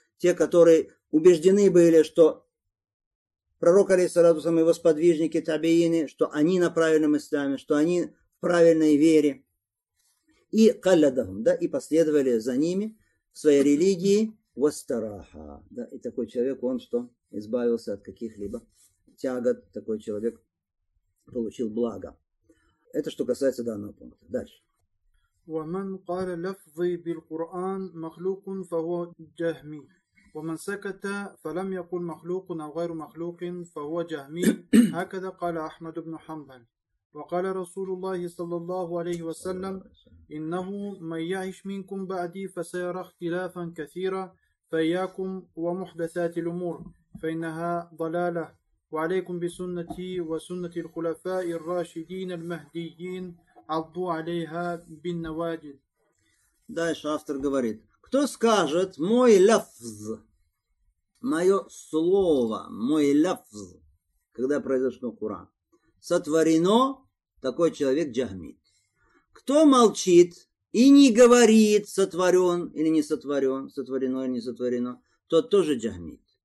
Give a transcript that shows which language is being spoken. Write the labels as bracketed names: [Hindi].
[Russian] Те, которые убеждены были, что пророк алейхиссалату вассалям и восподвижники, табиины, что они на правильном исламе, что они в правильной вере. И каллядахум, да, и последовали за ними в своей религии вастараха. Да, и такой человек, он что? Избавился от каких-либо тягот, такой человек получил благо. Это что касается данного пункта. Дальше. [Arabic] وَمَنْ قَالَ لَفْظِ بِالْقُرْآنِ مَخْلُوقٌ فَهُوَ جَهْمِي وَمَنْ سَكَتَ فَلَمْ يَقُلْ مَخْلُوقٌ أَوْ غَيْرُ مَخْلُوقٍ فَهُوَ جَهْمِي هكذا قال أحمد بن حنبل وقال رسول الله صلى الله عليه وسلم إنه من يعيش منكم بعدي فسيرى اختلافا كثيرا فإياكم ومحدثات الأمور فإنها ضلالة وعليكم بسنتي وسنة الخلفاء الراشدين المهديين عضوا عليها بالنواجذ. [Russian] Дальше автор говорит, кто скажет мой лафз, мое слово, мой лафз, когда произошло Куран, сотворено, такой человек джахмит. Кто молчит и не говорит, сотворен или не сотворен, сотворено или не сотворено, тот тоже джахмит.